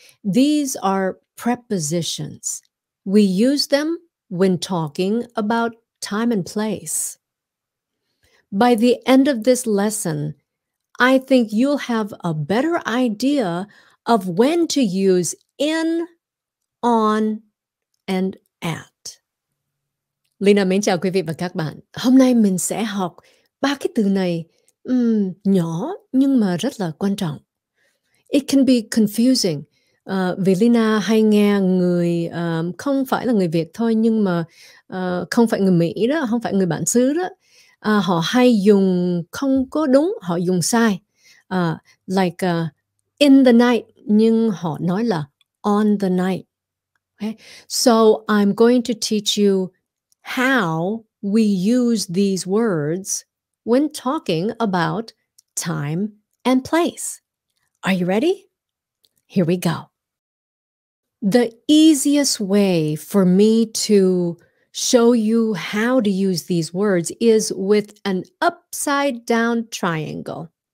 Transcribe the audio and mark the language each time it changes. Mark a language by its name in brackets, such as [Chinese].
[English] These are prepositions. We use them when talking about time and place. By the end of this lesson, I think you'll have a better idea of when to use in, on, and at. [Vietnamese] Leyna mến chào quý vị và các bạn. Hôm nay mình sẽ học ba cái từ này nhỏ nhưng mà rất là quan trọng. [English] It can be confusing. [Vietnamese] Vì Leyna hay nghe người không phải là người Việt thôi nhưng mà không phải người Mỹ đó, không phải người bản xứ đó. Họ hay dùng không có đúng, họ dùng sai. [English] Like in the night, [Vietnamese] nhưng họ nói là [English] on the night. Okay? So I'm going to teach you how we use these words when talking about time and place. Are you ready? Here we go. The easiest way for me to show you how to use these words is with an upside down triangle.